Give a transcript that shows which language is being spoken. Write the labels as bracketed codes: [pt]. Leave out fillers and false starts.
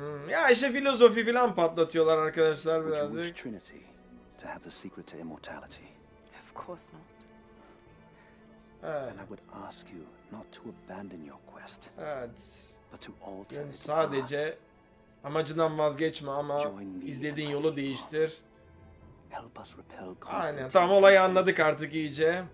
[tr] Ya işte filozofi falan patlatıyorlar arkadaşlar birazcık. [en] To have the secret to immortality. Of course not. And I would ask you not to abandon your quest. Evet. But to alter it. [tr] Sadece amacından vazgeçme ama izlediğin yolu değiştir. [en] Help us repel Constantine. Aynen. Tam olayı anladık artık iyice.